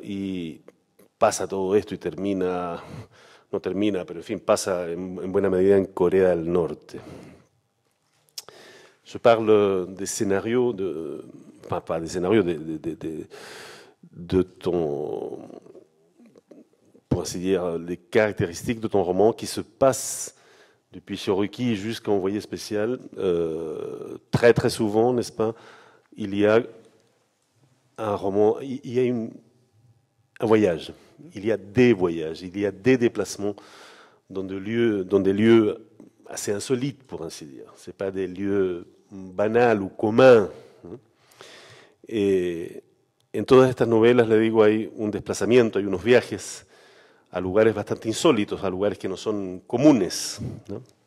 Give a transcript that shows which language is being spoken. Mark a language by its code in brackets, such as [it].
[es] Y pasa todo esto y termina, no termina, pero en fin, pasa en buena medida en Corea del Norte. [fr] Je parle des scénarios, pas des scénarios, de ton, pour ainsi dire, les caractéristiques de ton roman qui se passe depuis Cherokee jusqu'à Envoyé spécial, très très souvent, n'est-ce pas? Il y a un roman, il y a un voyage. Il y a des voyages, il y a des déplacements dans des lieux assez insolites, pour ainsi dire. Ce n'est pas des lieux banals ou communs. [es] Et en todas estas novelas, le digo, hay un desplazamiento, hay unos viajes a lugares bastante insólitos, a lugares que no son comunes, ¿no?